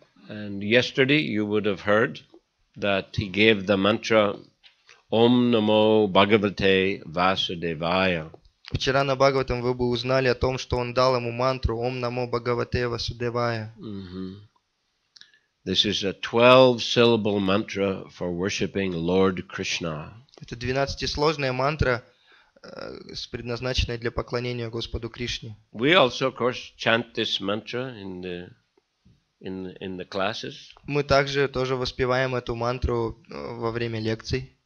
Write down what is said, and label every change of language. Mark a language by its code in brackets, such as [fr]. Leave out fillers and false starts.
[en] And yesterday you would have heard that he gave the mantra Om Namo Bhagavate Vasudevaya. [ru] Вчера на Бхагаватам вы бы узнали о том, что он дал ему мантру Om Namo Bhagavate Vasudevaya. [en] This is a 12-syllable mantra for worshiping Lord Krishna. [ru] Это 12-сложная мантра, предназначенная для поклонения Господу Кришне. [en] We also, of course, chant this mantra in the classes. [ru] Мы также тоже воспеваем эту мантру во время лекций.